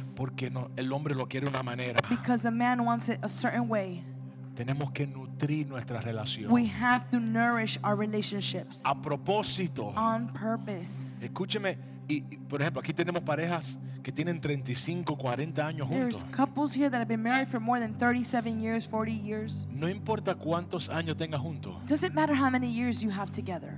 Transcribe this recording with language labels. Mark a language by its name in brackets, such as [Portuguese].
[Spanish] Porque no, el hombre lo quiere una manera. [English] Because a man wants it a certain way. [Spanish] Tenemos que nutrir nuestras relaciones. [English] We have to nourish our relationships. [Spanish] A propósito. [English] On purpose. [Spanish] Escúcheme, y por ejemplo, aquí tenemos parejas que tienen 35, 40 años juntos. [English] There's couples here that have been married for more than 37 years, 40 years. [Spanish] No importa cuántos años tengas juntos. [English] Doesn't matter how many years you have together.